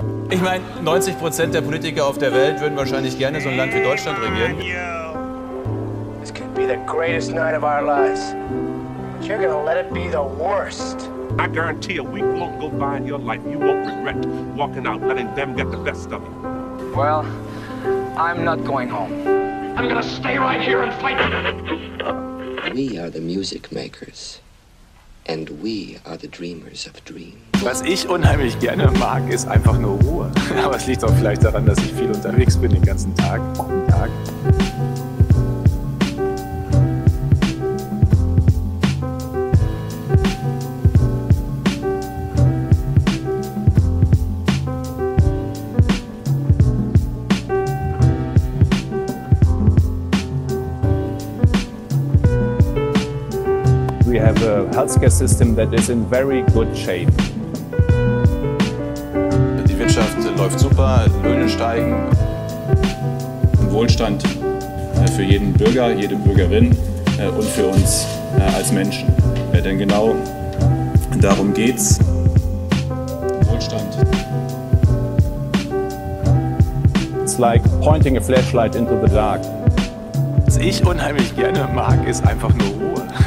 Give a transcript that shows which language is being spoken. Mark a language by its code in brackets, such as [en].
[de] Ich meine, 90% der Politiker auf der Welt würden wahrscheinlich gerne so ein Land wie Deutschland regieren. [en] The greatest night of our lives, but you're gonna let it be the worst. I guarantee a week won't go by in your life. You won't regret walking out, letting them get the best of you. Well, I'm not going home. I'm gonna stay right here and fight. We are the music makers, and we are the dreamers of dreams. [de] Was ich unheimlich gerne mag, ist einfach nur Ruhe. Aber es liegt auch vielleicht daran, dass ich viel unterwegs bin den ganzen Tag. [en] Healthcare system that is in very good shape. [de] Die Wirtschaft läuft super, Löhne steigen. Wohlstand für jeden Bürger, jede Bürgerin und für uns als Menschen. Denn genau darum geht's. Wohlstand. [en] It's like pointing a flashlight into the dark. [de] Was ich unheimlich gerne mag, ist einfach nur Ruhe.